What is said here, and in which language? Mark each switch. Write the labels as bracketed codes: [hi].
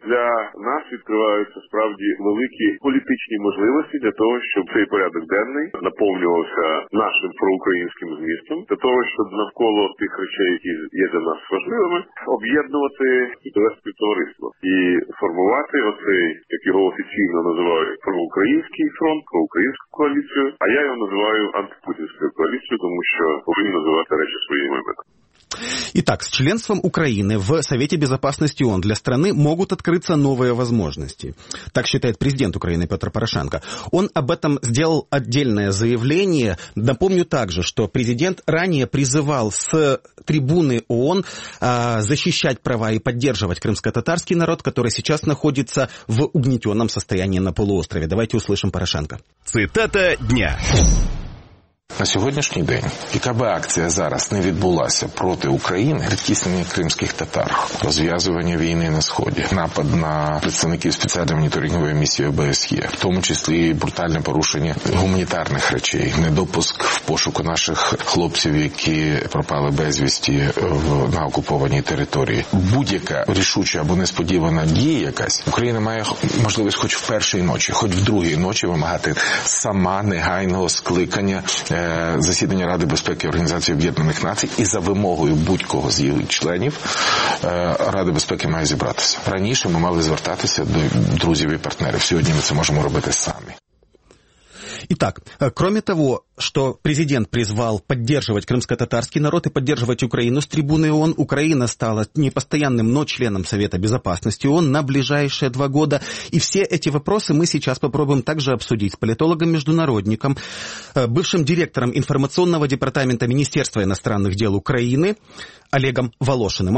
[uk] Для нас відкриваються справді великі політичні можливості для того, щоб цей порядок денний наповнювався нашим проукраїнським змістом, для того, щоб навколо тих речей, які є для нас важливими, об'єднувати інтереси товариства і формувати оцей, як його офіційно називають, проукраїнський фронт, проукраїнську коаліцію, а я його називаю антипутінською коаліцією, тому що повинні називати речі своїми іменами. [ru] Итак, с членством Украины в Совете Безопасности ООН для страны могут открыться новые возможности. Так считает президент Украины Петр Порошенко. Он об этом сделал отдельное заявление. Напомню также, что президент ранее призывал с трибуны ООН защищать права и поддерживать крымско-татарский народ, который сейчас находится в угнетенном состоянии на полуострове. Давайте услышим Порошенко. Цитата дня. [uk] На сьогоднішній день, яка би акція зараз не відбулася проти України, притіснення кримських татар, розв'язування війни на Сході, напад на представників спеціальної моніторингової місії ОБСЄ, в тому числі брутальне порушення гуманітарних речей, недопуск в пошуку наших хлопців, які пропали безвісті на окупованій території. Будь-яка рішуча або несподівана дія якась, Україна має можливість хоч в першій ночі, хоч в другій ночі вимагати сама негайного скликання засідання Ради безпеки Організації Об'єднаних Націй і за вимогою будь-кого з її членів Ради безпеки має зібратися. Раніше ми мали звертатися до друзів і партнерів. Сьогодні ми це можемо робити самі. [ru] І так, кроме того, что президент призвал поддерживать крымско-татарский народ и поддерживать Украину с трибуны ООН. Украина стала не постоянным, но членом Совета Безопасности ООН на ближайшие два года. И все эти вопросы мы сейчас попробуем также обсудить с политологом-международником, бывшим директором информационного департамента Министерства иностранных дел Украины Олегом Волошиным.